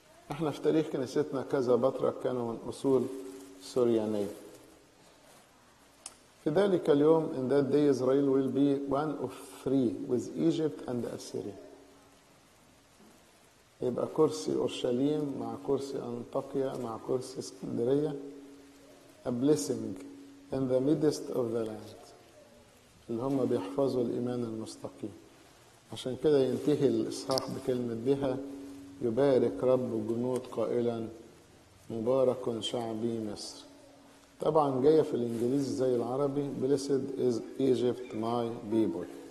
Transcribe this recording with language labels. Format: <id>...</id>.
<ar>احنا في تاريخ كنيستنا كذا بطرك كانوا من أصول سوريانية. في ذلك اليوم</ar> <en>in that day Israel will be one of three with Egypt and Assyria.</en> <ar>يبقى كرسي أورشليم مع كرسي أنطاكيا مع كرسي اسكندرية.</ar> <en>A blessing in the midst of the land.</en> <ar>اللي هم بيحفظوا الإيمان المستقيم. عشان كده ينتهي الإصحاح بكلمة بها يبارك رب الجنود قائلا مبارك شعبي مصر. طبعا جايه في الانجليزي زي العربي</ar> <en>blessed is Egypt my people.</en>